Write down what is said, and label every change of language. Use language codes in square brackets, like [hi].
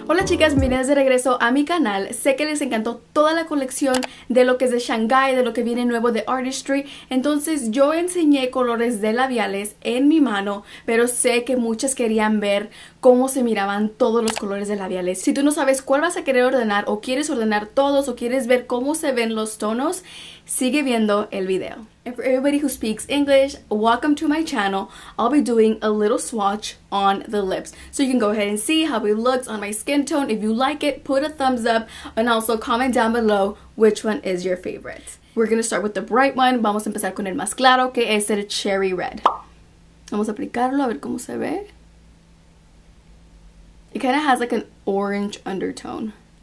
[es] chicas, bienvenidas de regreso a mi canal. Sé que les encantó toda la colección de lo que es de Shanghai, de lo que viene nuevo de Artistry. Entonces yo enseñé colores de labiales en mi mano, pero sé que muchas querían ver cómo se miraban todos los colores de labiales. Si tú no sabes cuál vas a querer ordenar, o quieres ordenar todos, o quieres ver cómo se ven los tonos, sigue viendo el video. [en] And for everybody who speaks English, welcome to my channel. I'll be doing a little swatch on the lips. So you can go ahead and see how it looks on my skin tone. If you like it, put a thumbs up and also comment down below which one is your favorite. We're gonna start with the bright one. [es] Vamos a empezar con el más claro, que es el cherry red. Vamos a aplicarlo a ver cómo se ve. [en] It kind of has like an orange undertone.